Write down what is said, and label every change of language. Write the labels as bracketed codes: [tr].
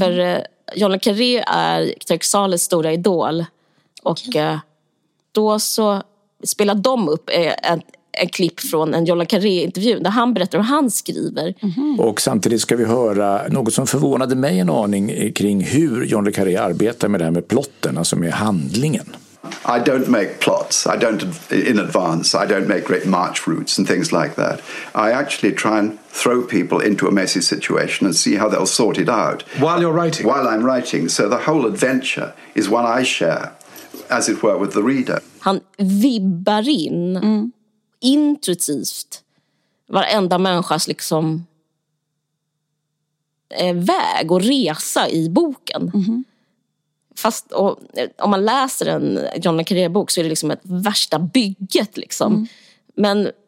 [sv] För John le Carré är Tarik Salehs stora idol, och då så spelar de upp en klipp från en John le Carré-intervju där han berättar hur han skriver. Mm-hmm. Och samtidigt ska vi höra något som förvånade mig en aning kring hur John le Carré arbetar med det här med plotten, alltså med handlingen. [en] I don't make plots. I don't in advance. I don't make great march routes and things like that. I actually try and throw people into a messy situation and see how they'll sort it out. While you're writing? While I'm writing. So the whole adventure is one I share, as it were, with the reader. [sv] Han vibbar in... Mm. intuitivt varenda människas liksom väg och resa i boken. Mm-hmm. Fast och, om man läser en John le Carré-bok så är det liksom ett värsta bygget liksom. Mm.